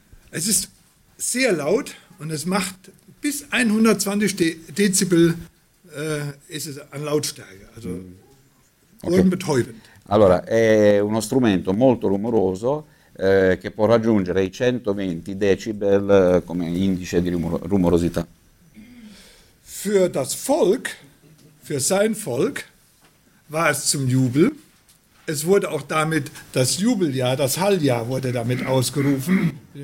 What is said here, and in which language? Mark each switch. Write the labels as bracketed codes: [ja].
[de] Es ist sehr laut und es macht bis 120 Dezibel ist es an Lautstärke, also ohrenbetäubend. [it] Allora, è uno strumento molto rumoroso che può raggiungere i 120 decibel come indice di rumorosità. [de] Für das Volk, für sein Volk, war es zum Jubel. Es wurde auch damit das Jubeljahr, das Halljahr wurde damit ausgerufen.